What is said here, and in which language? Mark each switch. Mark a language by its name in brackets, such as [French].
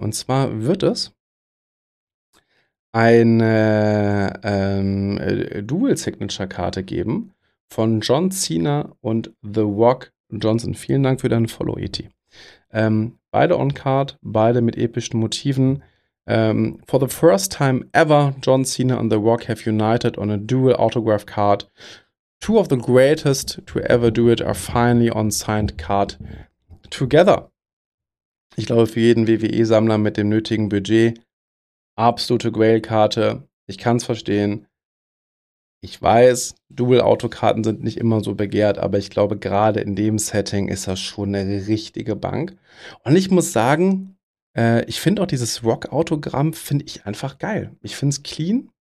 [German] Und zwar wird es eine Dual-Signature-Karte geben von John Cena und The Rock Johnson. Vielen Dank für deinen Follow, Eti. Beide on-card, beide mit epischen Motiven. [English] For the first time ever, John Cena and The Rock have united on a dual autograph card. Two of the greatest to ever do it are finally on signed card together. [German] Ich glaube, für jeden WWE-Sammler mit dem nötigen Budget, absolute Grail-Karte. Ich kann es verstehen. Ich weiß, Dual-Auto-Karten sind nicht immer so begehrt, aber ich glaube, gerade in dem Setting ist das schon eine richtige Bank. Und ich muss sagen, ich finde auch dieses Rock-Autogramm finde ich einfach geil. Ich finde es clean.